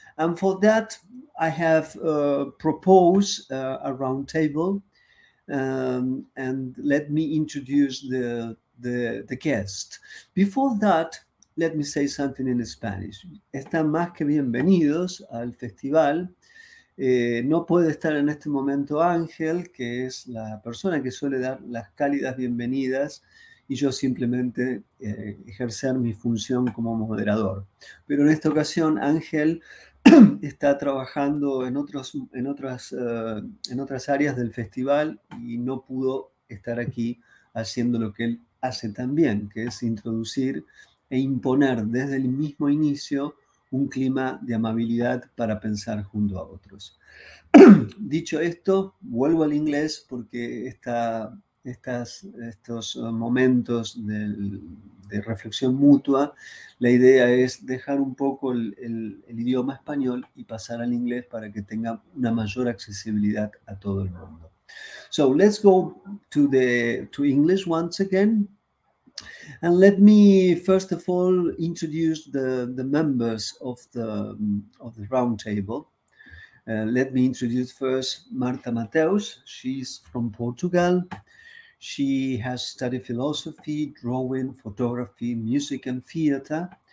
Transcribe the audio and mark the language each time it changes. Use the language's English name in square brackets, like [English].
[English] And for that, I have proposed a roundtable. And let me introduce the guest. Before that, let me say something in Spanish. [Spanish] Están más que bienvenidos al festival. No puede estar en este momento Ángel, que es la persona que suele dar las cálidas bienvenidas y yo simplemente ejercer mi función como moderador. Pero en esta ocasión Ángel está trabajando en otras áreas del festival y no pudo estar aquí haciendo lo que él hace también, que es introducir e imponer desde el mismo inicio un clima de amabilidad para pensar junto a otros. Dicho esto, vuelvo al inglés porque estos momentos de reflexión mutua, la idea es dejar un poco el idioma español y pasar al inglés para que tenga una mayor accesibilidad a todo el mundo. [English] So let's go to English once again. And let me first of all introduce the members of the roundtable. Let me introduce first Marta Mateus. She's from Portugal. She has studied philosophy, drawing, photography, music, and theater.